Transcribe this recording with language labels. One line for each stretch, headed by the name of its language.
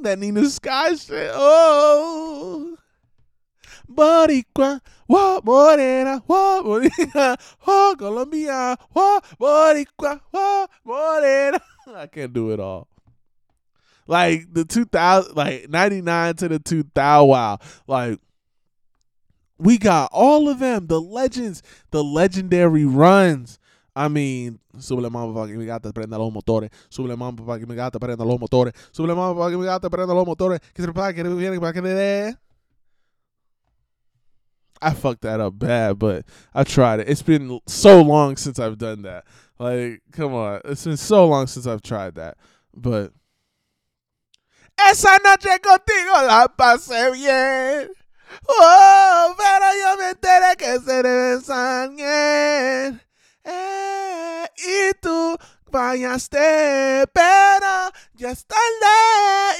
English: That Nina Sky shit. Oh. Boricua, what morena, what morena, what Colombia, what boricua, what morena. I can't do it all. Like, the 2000, like, 99 to the 2000, wow. Like, we got all of them, the legends, the legendary runs. I mean,
Spanish: súbele mambo para que mi gata prenda los motores. Súbele mambo para que mi gata prenda los motores. Súbele mambo para que mi gata prenda los motores. Que se prepara que viene para que le dé.
English: I fucked that up bad, but I tried it. It's been so long since I've done that. Like, come on. It's been so long since I've tried that. But.
Spanish: Esa noche contigo la pasé bien. Oh, pero yo me enteré que se le desañé. Y tú fallaste, pero ya es tarde.